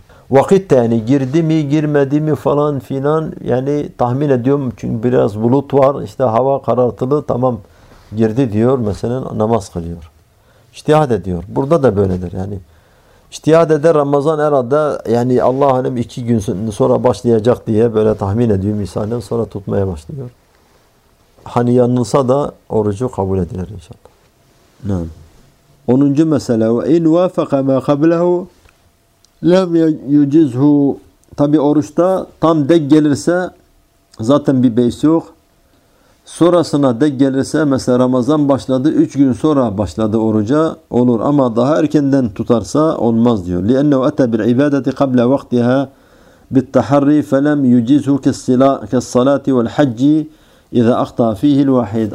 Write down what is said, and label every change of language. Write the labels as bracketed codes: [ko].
[tr] Vakit de yani girdi mi girmedi mi falan filan, yani tahmin ediyorum çünkü biraz bulut var, işte hava karartılı, tamam girdi diyor mesela, namaz kılıyor. İçtihad ediyor. Burada da böyledir yani. İçtihad eder, Ramazan herhalde yani Allah hanım iki gün sonra başlayacak diye böyle tahmin ediyor misali, sonra tutmaya başlıyor. Hani yanılsa da orucu kabul edilir inşallah. Evet. 10. mesele, [ar] وَاِنْ وَافَقَ مَا قَبْلَهُ لَمْ يُجِزْهُ. [tr] Tabi oruçta tam denk gelirse zaten bir beys yok. Sonrasına denk gelirse, mesela Ramazan başladı, 3 gün sonra başladı oruca, olur. Ama daha erkenden tutarsa olmaz diyor. [ar] لِأَنَّهُ اَتَى بِالْعِبَادَةِ قَبْلَ وَقْتِهَا بِالتَّحَرِّي فَلَمْ يُجِزْهُ كَالصَّلَاةِ وَالْحَجِّ اِذَا اَخْطَى فِيهِ الْوَحِيدِ.